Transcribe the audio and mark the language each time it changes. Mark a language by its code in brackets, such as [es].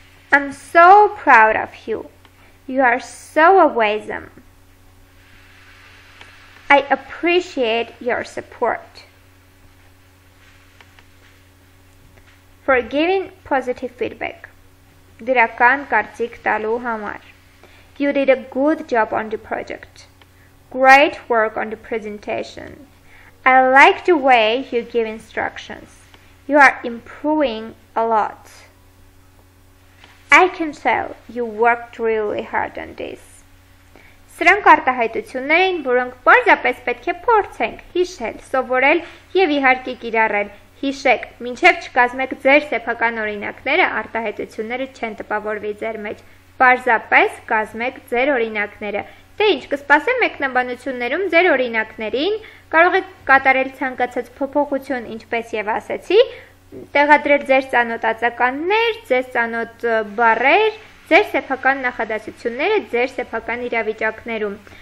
[en] I'm so proud of you. You are so awesome. I appreciate your support. For giving positive feedback. [hy] Դրական կարծիք տալու համար. [en] You did a good job on the project. Great work on the presentation. I like the way you give instructions. You are improving a lot. I can tell you worked really hard on this. [hy] Սրանք արտահայտություններ էին, որոնք պարզապես պետք է փորձենք, հիշել, սովորել եւ իհարկե կիրառել։ Հիշեք, մինչեւ չկազմեք ձեր սեփական օրինակները, արտահայտությունները չեն տպավորվի ձեր մեջ։ Պարզապես կազմեք ձեր օրինակները։ Դե ինչ, կսպասեմ մեկնաբանություններում ձեր օրինակներին, կարող եք կատարել ցանկացած փոփոխություն, ինչպես եւ ասացի, տեղադրել ձեր ծանոթացականներ, ձեր ծանոթ բառեր, ձեր սեփական նախադասությունները ձեր սեփական իրավիճակներում։